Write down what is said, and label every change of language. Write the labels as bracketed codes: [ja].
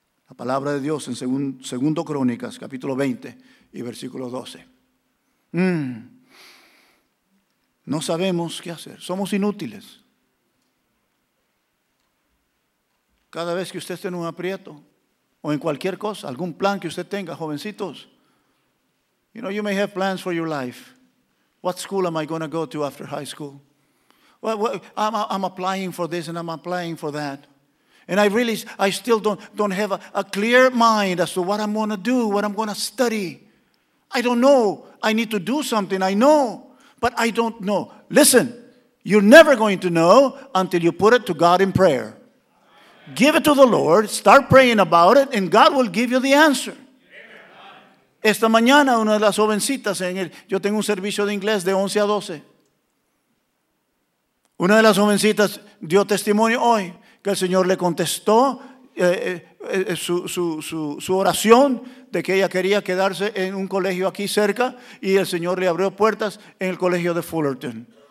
[es] La palabra de Dios en 2 Crónicas, capítulo 20 y versículo 12. No sabemos qué hacer. Somos inútiles. Cada vez que usted esté en un aprieto o en cualquier cosa, algún plan que usted tenga, jovencitos. [en] You know, you may have plans for your life. What school am I going to go to after high school? Well, I'm applying for this and I'm applying for that. And I still don't have a clear mind as to what I'm going to do, what I'm going to study. I don't know. I need to do something. I know, but I don't know. Listen, you're never going to know until you put it to God in prayer. Give it to the Lord, start praying about it, and God will give you the answer. [es] Esta mañana, una de las jovencitas, yo tengo un servicio de inglés de 11 a 12. Una de las jovencitas dio testimonio hoy que el Señor le contestó su oración de que ella quería quedarse en un colegio aquí cerca, y el Señor le abrió puertas en el colegio de Fullerton.